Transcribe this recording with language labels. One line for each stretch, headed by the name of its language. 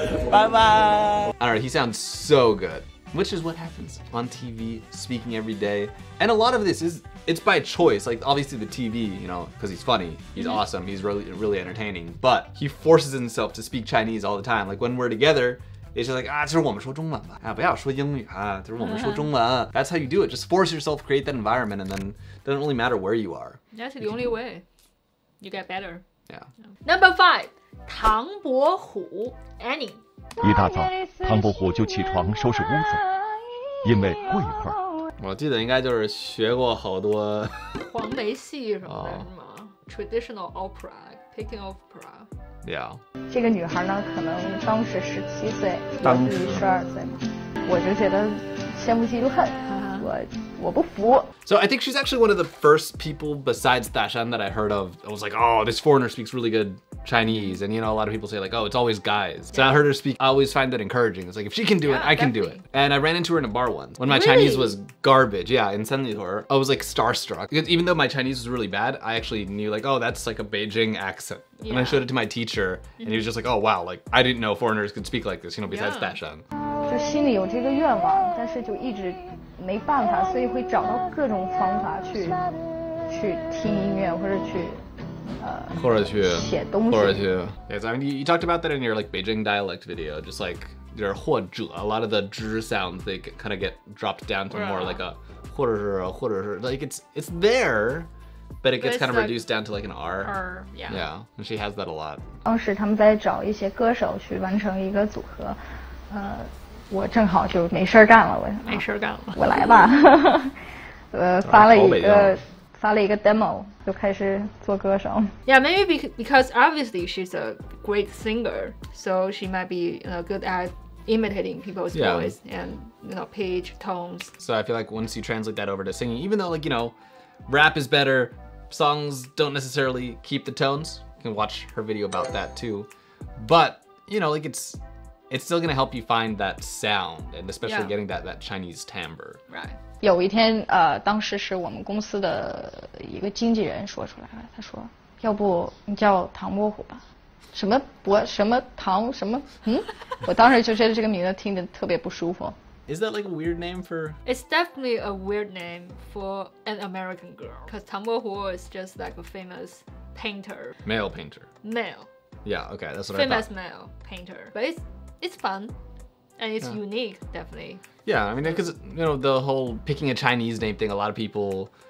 Chinese: 拜拜。
English: I don't know. He sounds so good, which is what happens on TV, speaking every day. And a lot of this is by choice. Like obviously the TV, you know, because he's funny, he's awesome, he's really really entertaining. But he forces himself to speak Chinese all the time. Like when we're together. It's just like, ah,
Chinese: 这是我们说中文吧。啊，不要说英语啊，这是我们说中文。
English: Uh-huh. That's how you do it. Just force yourself, create that environment, and then it doesn't really matter where you are. That's the only way. You get better. Yeah. Number five, 唐伯虎 Annie.
Chinese: 一大早，唐伯虎就起床收拾屋子，因为过一会儿。我记得应该就是学过好多黄梅戏什么的，是吗？
English: Traditional opera, picking opera. Yeah.
Chinese: 这个女孩呢，可能当时17岁，当时12岁，我就觉得羡慕嫉妒恨， uh-huh. 我不服。
English: So I think she's actually one of the first people besides Da Shan that I heard of. I was like, oh, this foreigner speaks really good Chinese. And you know, a lot of people say like, oh, it's always guys. So yeah. I heard her speak. I always find that encouraging. It's like, if she can do it, I can do it. And I ran into her in a bar once when my Chinese was garbage. Yeah, in Sanlitun. I was like starstruck. Because even though my Chinese was really bad, I actually knew like, oh, that's like a Beijing accent. Yeah. And I showed it to my teacher and he was just like, oh, wow. Like, I didn't know foreigners could speak like this, you know, besides Da Shan.
Chinese: 就心里有这个愿望，但是就一直没办法，所以会找到各种方法去听音乐，或者去或者去写东西，或者去。
English: Yes, I mean, you talked about that in your like Beijing dialect video, just like your 或者 a lot of the 之 sounds they kind of get dropped down to more like a
Chinese: 或者是或者是
English: like it's there, but it gets kind of reduced down to like an R. Yeah, and she has that a lot.
Chinese: 当时他们在找一些歌手去完成一个组合，我正好就没事干了，我来吧，发了一个 demo， 就开始做歌手。
English: Yeah, maybe because obviously she's a great singer, so she might be good at imitating people's voice and you know pitch tones. So I feel like once you translate that over to singing, even though like you know, rap is better, songs don't necessarily keep the tones. You can watch her video about that too, but you know like it's. it's still going to help you find that sound, and especially yeah. getting that Chinese timbre. Right.
Chinese: 有一天，当时是我们公司的一个经纪人说出来了，他说，要不你叫唐伯虎吧。什么博什么唐什么嗯，我当时就觉得这个名字听得特别不舒服。
English: Is that like a weird name for? It's definitely a weird name for an American girl. Cause 唐伯虎 is just like a famous painter. Male painter. Male. Yeah. Okay. That's what famous Famous male painter. But it's fun, and it's yeah. unique, definitely. Yeah. I mean, because you know the whole picking a Chinese name thing. A lot of people.